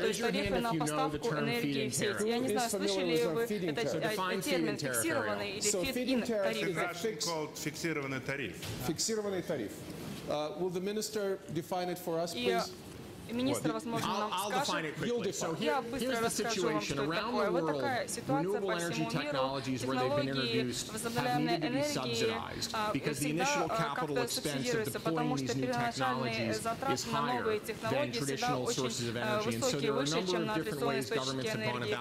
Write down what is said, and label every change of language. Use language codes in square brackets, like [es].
[ru] То есть тарифы на поставку энергии в сеть. Я не знаю, слышали ли вы этот термин фиксированный или feed-in тарифы? Это как called фиксированный тариф. Фиксированный тариф. [en] Will the minister define it for us, please? [ru] Министр, возможно, нам скажет. [en] So here, [ru] я быстро расскажу вам, что это такое. Вот такая ситуация по всему миру. Технологии возобновляемой энергии всегда как-то субсидируются, потому что первоначальные затраты на новые технологии всегда очень высокие, выше, чем на традиционные источники энергии.